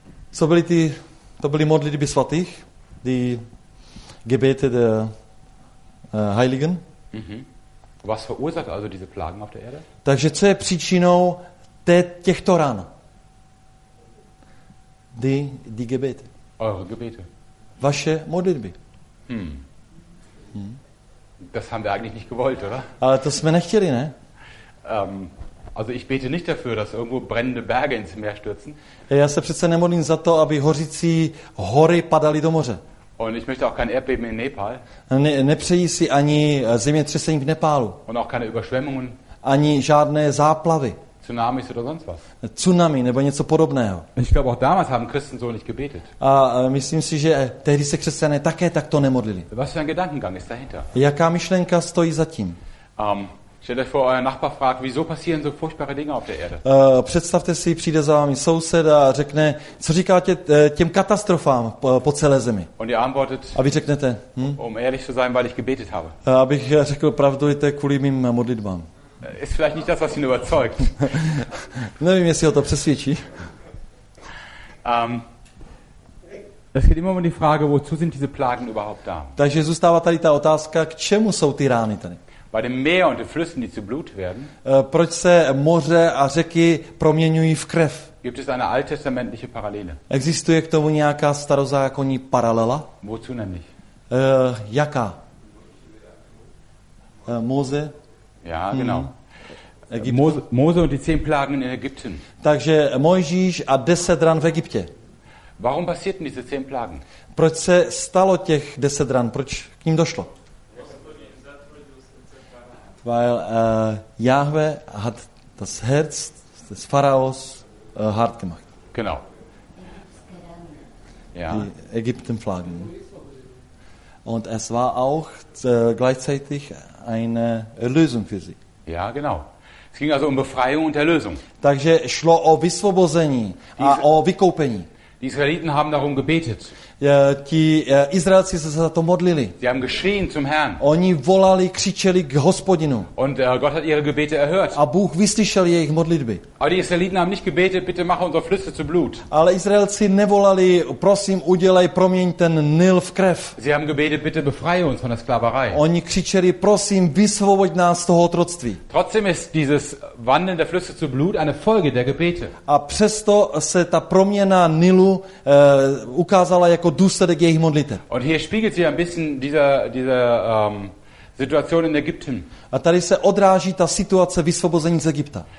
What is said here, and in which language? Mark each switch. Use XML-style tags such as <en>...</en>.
<cs>Co byly ty, to byly modlitby svatých?</cs> <de>Die Gebete der Heiligen? Mm-hmm. Was verursacht also diese Plagen auf der Erde?</de> <cs>Takže co je příčinou těchto ran?</cs> <de>Die Gebete. Eure Gebete.</de> <cs>Vaše modlitby.</cs> <de>Das haben wir eigentlich nicht gewollt, oder?</de> <cs>Ale to jsme nechtěli, ne?</cs> <de>Also ich bete nicht dafür, dass irgendwo brennende Berge ins Meer stürzen.</de> <cs>Já se přece nemodlím za to, aby hořící hory padaly do moře.</cs> <de>Und ich möchte auch kein Erdbeben in Nepal.</de> <cs>Nepřeji si ani zemětřesení v Nepálu.</cs> <de>Und auch keine Überschwemmungen.</de> <cs>Ani žádné záplavy.</cs> <de>Tsunamis oder sonst was.</de> <cs>Tsunami nebo něco podobného.</cs> <de>Ich glaube, auch damals haben Christen so nicht gebetet.</de> <cs>A myslím si, že tehdy se křesťané také takto nemodlili.</cs> <de>Was für ein Gedankengang ist dahinter?</de> <cs>Jaká myšlenka stojí za tím?</cs> <de>Stellt euch vor, euer Nachbar fragt, wieso passieren so furchtbare Dinge auf der Erde?</de> <cs>Představte si, přijde za vámi soused a řekne, co říkáte těm katastrofám po celé zemi?</cs> <de>Und ihr antwortet,</de> <cs>a vy řeknete,</cs> <de>Um ehrlich zu sein, weil ich gebetet habe.</de> <cs>Abych řekl pravdu, je to kvůli mým modlitbám.</cs> <de>Ist vielleicht nicht das, was ihn überzeugt.</de> <cs>Nevím, jestli ho to přesvědčí.</cs> <de>Es geht immer um die Frage, wozu sind diese Plagen überhaupt da?</de> <cs>Takže zůstává tady ta otázka, k čemu jsou ty rány tady?</cs> <de>Bei dem Meer und den Flüssen, die zu Blut werden.</de> <cs>Proč se moře a řeky proměňují v krev?</cs> <de>Gibt es eine alttestamentliche Parallele?</de> <cs>Existuje k tomu nějaká starozákonní paralela?</cs> <de>Wozu nämlich?</de> <cs>Jaká? Moze?</cs> <de>Ja, genau. Mose und die 10 Plagen in Ägypten.</de> <cs>Takže Mojžíš a 10 ran v Egyptě.</cs> <de>Warum passierten diese 10 Plagen?</de> <cs>Proč se stalo těch 10 ran? Proč k ním došlo?</cs> <de>Weil Jahwe hat das Herz des Pharaos hart gemacht. Genau. Ja. Die Ägyptenplagen. Und es war auch gleichzeitig eine Erlösung für sie. Ja, genau. Es ging also um Befreiung und Erlösung.</de> <cs>Takže šlo o vysvobození a o vykoupení.</cs> <de>Die Israeliten haben darum gebetet.</de> <cs>Izraelci se za to modlili.</cs> <de>Sie haben geschrien zum Herrn.</de> <cs>Oni volali, křičeli k Hospodinu.</cs> <de>Und Gott hat ihre Gebete erhört.</de> <cs>A Bůh vyslyšel jejich modlitby.</cs> <de>Aber die Israeliten haben nicht gebetet, bitte mach unsere Flüsse zu Blut.</de> <cs>Ale Izraelci nevolali, prosím, udělej, proměň ten Nil v krev.</cs> <de>Sie haben gebetet, bitte befreie uns von der Sklaverei.</de> <cs>Oni křičeli, prosím, vysvoboď nás z toho otroctví.</cs> <de>Trotzdem ist dieses Wandeln der Flüsse zu Blut eine Folge der Gebete.</de> <cs>A přesto se ta proměna Nilu ukázala jako důsledek jejich modlitev.</cs> <de>Und hier spiegelt sich ein bisschen dieser Situation in Ägypten.</de> <cs>A tady se odráží ta situace vysvobození z Egypta.</cs>